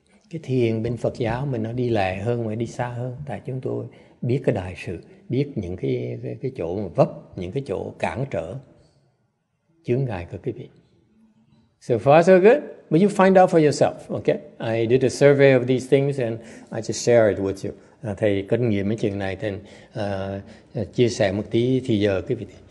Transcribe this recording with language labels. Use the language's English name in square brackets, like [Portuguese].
[Vietnamese] Cái thiền bên Phật giáo mình nó đi lẹ hơn, mà đi xa hơn, tại chúng tôi biết cái đại sự, biết những cái chỗ mà vấp, những cái chỗ cản trở, chướng ngại của quý vị. [English] So far, so good. But you find out for yourself, okay? I did a survey of these things and I just share it with you. [Vietnamese] Thầy kinh nghiệm mấy chuyện này, thầy chia sẻ một tí thì giờ quý vị.